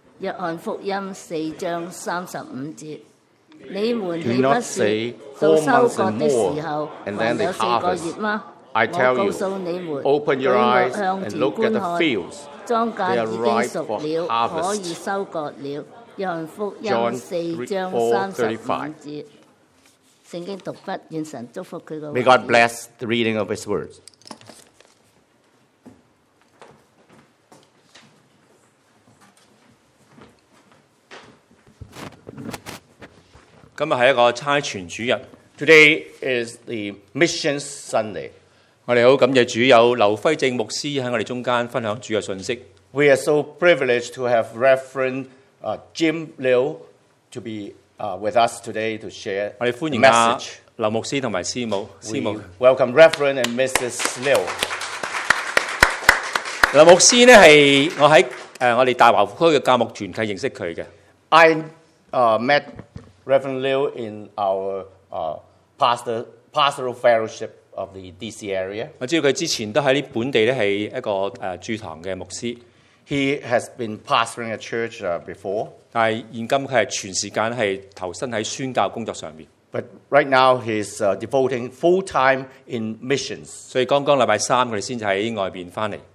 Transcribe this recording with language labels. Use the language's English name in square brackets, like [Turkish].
[Cantonese] 约翰福音四章三十五节，你们岂不是到收割的时候还有四个月吗？我告诉你们，举目向田观看，庄稼已经熟了，可以收割了。约翰福音四章三十五节，圣经读毕，愿神祝福佢个。 [English] May God bless the reading of His words. [Cantonese] 今日係一個差傳主日。 [English] Today is the Mission Sunday。 [Cantonese] 我哋好感謝主有劉輝正牧師喺我哋中間分享主嘅信息。 [English] We are so privileged to have Reverend Jim Liu to be with us today to share. [Cantonese] 我哋歡迎啊劉牧師同埋師母。師母 [English] ，Welcome Reverend and Mrs. Liu。 [Cantonese] 劉牧師咧係我喺我哋大華區嘅教牧團契認識佢嘅。 [English] I met Reverend Liu in our pastoral fellowship of the DC area. [Cantonese] 我知道佢之前都喺呢本地咧係一個駐堂嘅牧師。 [English] He has been pastoring a church before. [Cantonese] 但係現今佢係全時間係投身喺宣教工作上邊。 [English] But right now he's devoting full time in missions. [Cantonese] 所以剛剛禮拜三佢哋先至喺外邊翻嚟。